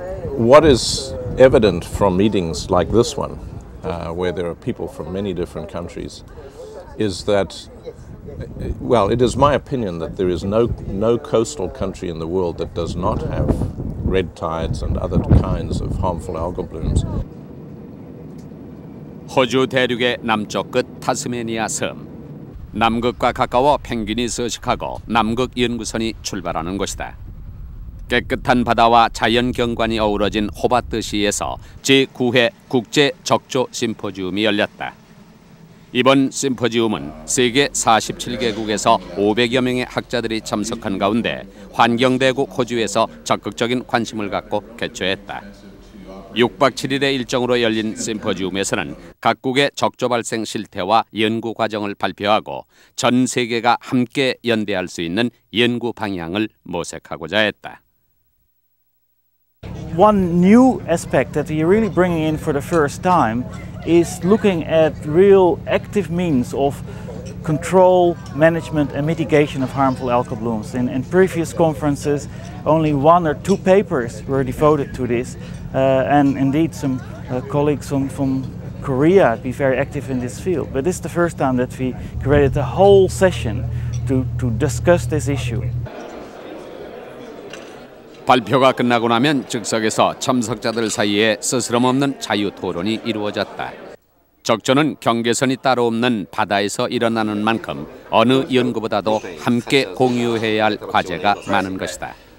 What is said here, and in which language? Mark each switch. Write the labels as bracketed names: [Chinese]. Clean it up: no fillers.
[English] What is evident from meetings like this one, where there are people from many different countries, is that, well, it is my opinion that there is no coastal country in the world that does not have red tides and other kinds of harmful algal blooms. [Korean] 호주 대륙의 남쪽 끝 타스메니아 섬. 남극과 가까워 펭귄이 서식하고 남극 연구선이 출발하는 곳이다. 깨끗한 바다와 자연 경관이 어우러진 호바트시에서 제9회 국제 적조 심포지엄이 열렸다. 이번 심포지엄은 세계 47개국에서 500여 명의 학자들이 참석한 가운데 환경대국 호주에서 적극적인 관심을 갖고 개최했다. 6박 7일의 일정으로 열린 심포지엄에서는 각국의 적조 발생 실태와 연구 과정을 발표하고 전 세계가 함께 연대할 수 있는 연구 방향을 모색하고자 했다. [English] One new aspect that we're really bringing in for the first time is looking at real active means of control, management and mitigation of harmful algal blooms. In previous conferences, only one or two papers were devoted to this. And indeed, some colleagues from Korea have been very active in this field. But this is the first time that we created a whole session to discuss this issue. [Korean] 발표가 끝나고 나면 즉석에서 참석자들 사이에 스스럼없는 자유 토론이 이루어졌다. 적조는 경계선이 따로 없는 바다에서 일어나는 만큼 어느 연구보다도 함께 공유해야 할 과제가 많은 것이다.